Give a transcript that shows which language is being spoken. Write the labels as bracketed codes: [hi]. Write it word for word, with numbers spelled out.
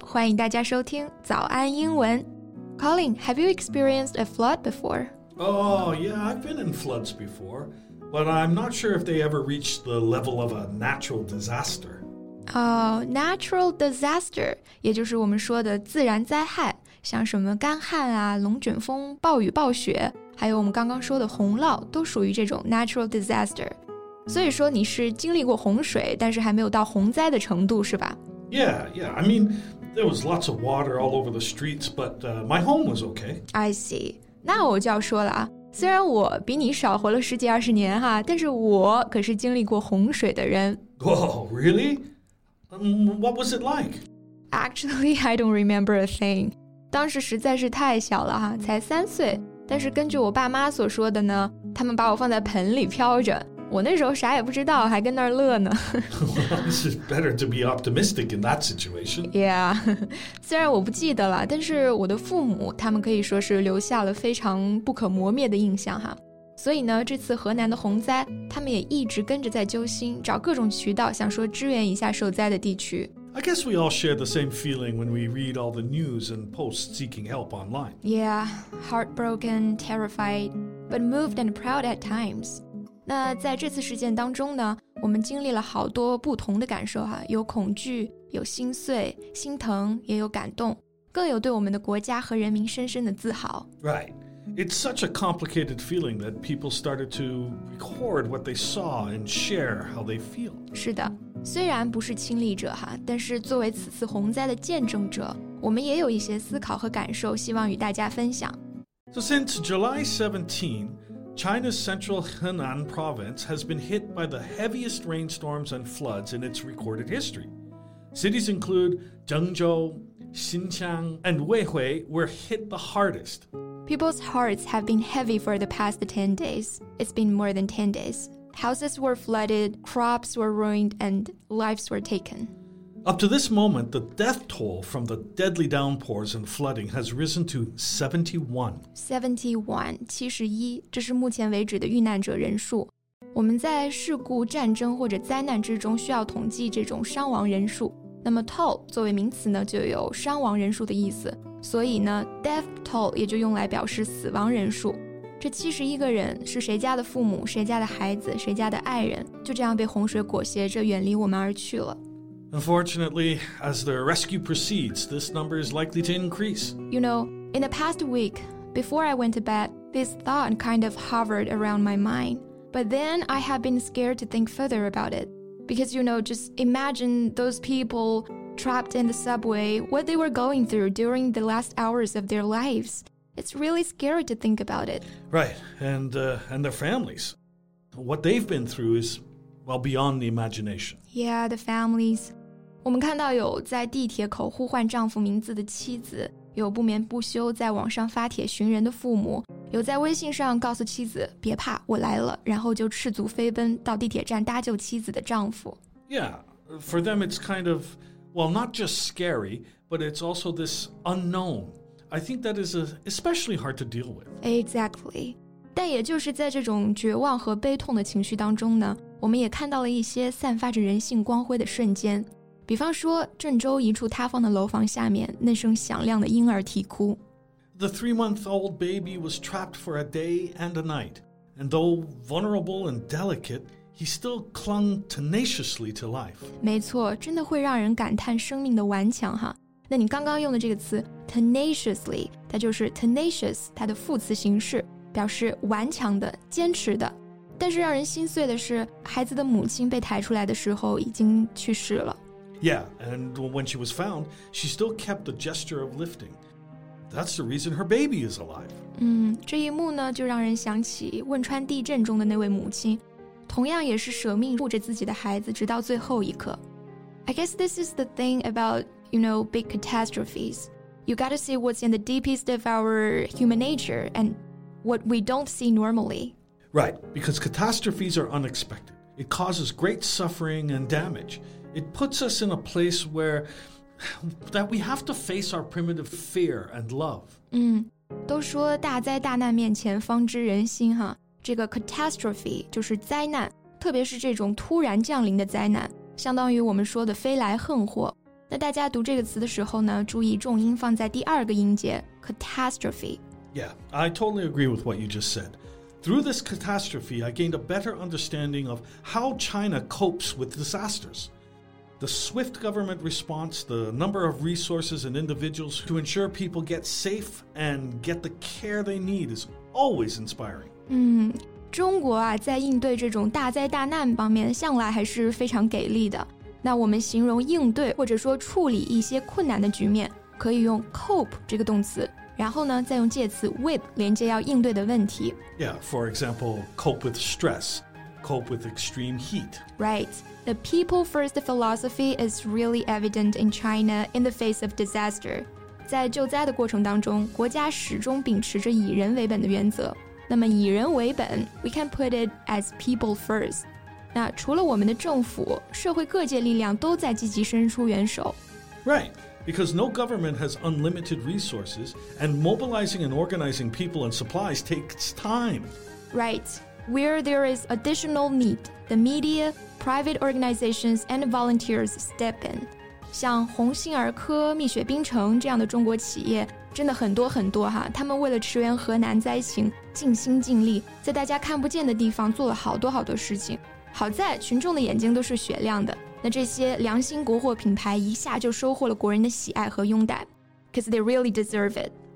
[zh] 欢迎大家收听早安英文。 [en] Colin, have you experienced a flood before? Oh, yeah, I've been in floods before, but I'm not sure if they ever reached the level of a natural disaster. Oh, natural disaster, [zh] 也就是我们说的自然灾害，像什么干旱啊、龙卷风、暴雨、暴雪，还有我们刚刚说的洪涝，都属于这种 natural disaster。所以说你是经历过洪水，但是还没有到洪灾的程度，是吧？ [en] Yeah, yeah. I mean, there was lots of water all over the streets, but、uh, my home was okay. I see. [zh] 那我就要说了啊，虽然我比你少活了十几二十年哈，但是我可是经历过洪水的人。 [en] Whoa, really? Um, what was it like? Actually, I don't remember a thing. [zh] 当时实在是太小了哈，才三岁。但是根据我爸妈所说的呢，他们把我放在盆里飘着。我那时候啥也不知道，还跟那儿乐呢。 [en] Well, it's better to be optimistic in that situation. Yeah. [zh] 虽然我不记得了，但是我的父母他们可以说是留下了非常不可磨灭的印象哈。所以呢，这次河南的洪灾，他们也一直跟着在揪心，找各种渠道想说支援一下受灾的地区。 [en] I guess we all share the same feeling when we read all the news and posts seeking help online. Yeah, heartbroken, terrified, but moved and proud at times. [zh] 那在这次事件当中呢，我们经历了好多不同的感受啊，有恐惧，有心碎、心疼，也有感动，更有对我们的国家和人民深深的自豪。 [en] Right. It's such a complicated feeling that people started to record what they saw and share how they feel. [zh] 是的，虽然不是亲历者哈，但是作为此次洪灾的见证者，我们也有一些思考和感受，希望与大家分享。 [en] So since July seventeenth,China's central Henan province has been hit by the heaviest rainstorms and floods in its recorded history. Cities include Zhengzhou, Xinjiang, and Weihui were hit the hardest. People's hearts have been heavy for the past ten days. It's been more than ten days. Houses were flooded, crops were ruined, and lives were taken. Up to this moment, the death toll from the deadly downpours and flooding has risen to seventy-one. [zh] seventy-one, 七十一，这是目前为止的遇难者人数。我们在事故、战争或者灾难之中需要统计这种伤亡人数。那么 toll 作为名词呢，就有伤亡人数的意思。所以呢 death toll 也就用来表示死亡人数。这七十一个人是谁家的父母、谁家的孩子、谁家的爱人，就这样被洪水裹挟着远离我们而去了。 [en] Unfortunately, as the rescue proceeds, this number is likely to increase. You know, in the past week, before I went to bed, this thought kind of hovered around my mind. But then I have been scared to think further about it. Because, you know, just imagine those people trapped in the subway, what they were going through during the last hours of their lives. It's really scary to think about it. Right, and, uh, and their families. What they've been through is, well, beyond the imagination. Yeah, the families. [zh] 我们看到有在地铁口呼唤丈夫名字的妻子，有不眠不休在网上发帖寻人的父母，有在微信上告诉妻子别怕我来了，然后就赤足飞奔到地铁站搭救妻子的丈夫。 [en] Yeah, for them it's kind of, well, not just scary, but it's also this unknown. I think that is especially hard to deal with. Exactly. [zh] 但也就是在这种绝望和悲痛的情绪当中呢，我们也看到了一些散发着人性光辉的瞬间。比方说，郑州一处塌方的楼房下面，那声响亮的婴儿啼哭。 [en] The three-month-old baby was trapped for a day and a night, and though vulnerable and delicate, he still clung tenaciously to life. [zh] 没错，真的会让人感叹生命的顽强哈。那你刚刚用的这个词 tenaciously， 它就是 tenacious， 它的副词形式，表示顽强的、坚持的。但是让人心碎的是，孩子的母亲被抬出来的时候已经去世了。 [en] Yeah, and when she was found, she still kept the gesture of lifting. That's the reason her baby is alive. [zh] 嗯，这一幕呢，就让人想起汶川地震中的那位母亲，同样也是舍命护着自己的孩子，直到最后一刻。 [en] I guess this is the thing about, you know, big catastrophes. You gotta see what's in the deepest of our human nature and what we don't see normally. Right, because catastrophes are unexpected. It causes great suffering and damage. It puts us in a place where that we have to face our primitive fear and love. [zh] 嗯，都说大灾大难面前方知人心哈，这个 catastrophe 就是灾难，特别是这种突然降临的灾难，相当于我们说的飞来横祸。那大家读这个词的时候呢，注意重音放在第二个音节 catastrophe。 [en] Yeah, I totally agree with what you just said. Through this catastrophe, I gained a better understanding of how China copes with disasters. The swift government response, the number of resources and individuals to ensure people get safe and get the care they need is always inspiring. [zh] 嗯，中国啊，在应对这种大灾大难方面，向来还是非常给力的。那我们形容应对或者说处理一些困难的局面，可以用 cope 这个动词。然后呢，再用介词 with 连接要应对的问题。 [en] Yeah, for example, cope with stress, cope with extreme heat. Right. The people-first philosophy is really evident in China in the face of disaster. [zh] 在救灾的过程当中，国家始终秉持着以人为本的原则。那么以人为本 ， [en] we can put it as people first. [zh] 那除了我们的政府，社会各界力量都在积极伸出援手。 [en] Right. Because no government has unlimited resources, and mobilizing and organizing people and supplies takes time. Right. Where there is additional need, the media, private organizations, and volunteers step in. [zh] 像鸿星尔科、蜜雪冰城这样的中国企业，真的很多很多哈。他们为了驰援河南灾情，尽心尽力，在大家看不见的地方做了好多好多事情。好在群众的眼睛都是雪亮的。那这些良心国货品牌一下就收获了国人的喜爱和拥戴 [en] because they really deserve it.